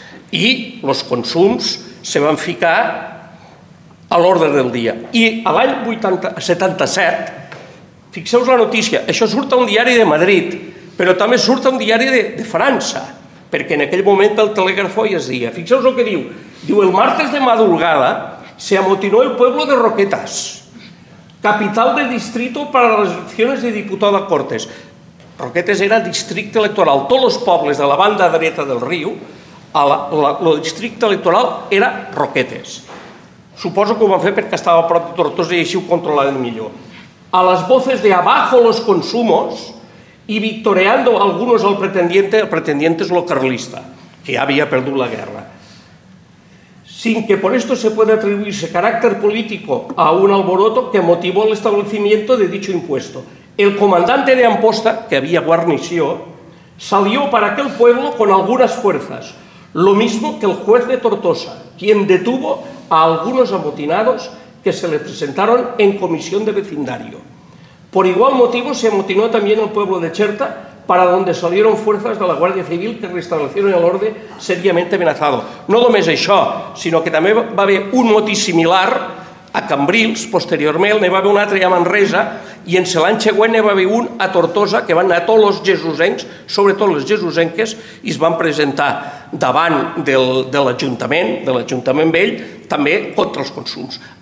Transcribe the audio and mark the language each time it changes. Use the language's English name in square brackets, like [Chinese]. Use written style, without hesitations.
[Catalan] I els consums se van ficar a l'ordre del dia. I a l'any 77, fixeu-vos la notícia, això surt a un diari de Madrid, però també surt a un diari de França, perquè en aquell moment el telègrafo ja es deia. Fixeu-vos el que diu. [Spanish] Diu, el martes de madrugada se amotinó el pueblo de Roquetas, capital de distrito para las elecciones de diputado de Cortes. [Catalan] Roquetes era districte electoral. Tots els pobles de la banda dreta del riu, el districte electoral era Roquetes. Suposo que ho van fer perquè estava a prop de Tortosa i així ho controlaven millor. [Spanish] A les voces de abajo los consumos y victoriando algunos al pretendiente, el pretendiente es lo carlista, que había perdido la guerra. Sin que por esto se pueda atribuirse carácter político a un alboroto que motivó el establecimiento de dicho impuesto. El comandante de Amposta, que había guarnición, salió para aquel pueblo con algunas fuerzas, lo mismo que el juez de Tortosa, quien detuvo a algunos amotinados que se le presentaron en comisión de vecindario. Por igual motivo se amotinó también el pueblo de Cherta, para donde salieron fuerzas de la Guardia Civil que restablecieron el orden seriamente amenazado. [Catalan] No només això, sinó que també va haver un motí similar a Cambrils, posteriorment n'hi va haver un altre a Manresa, i en l'any següent n'hi va haver un a Tortosa, que van anar tots els jesusencs, sobretot les jesusenques, i es van presentar davant de l'Ajuntament vell, també contra els consums.